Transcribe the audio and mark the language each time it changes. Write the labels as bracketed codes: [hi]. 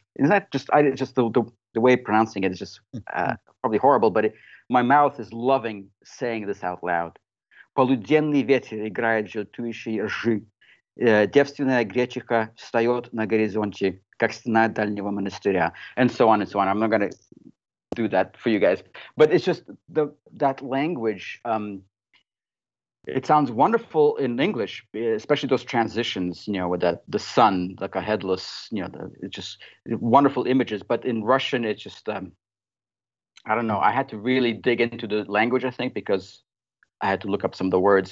[en] Isn't that just the way of pronouncing it is just probably horrible, but my mouth is loving saying this out loud. [ru] Полуденный ветер играет желтующие ржи. Девственная гречиха встает на горизонте, как стена дальнего монастыря. [en] And so on and so on. I'm not going to do that for you guys. But it's just that language. It sounds wonderful in English, especially those transitions, you know, with the sun, like a headless, you know, it's just wonderful images. But in Russian, it's just, I don't know. I had to really dig into the language, I think, because I had to look up some of the words.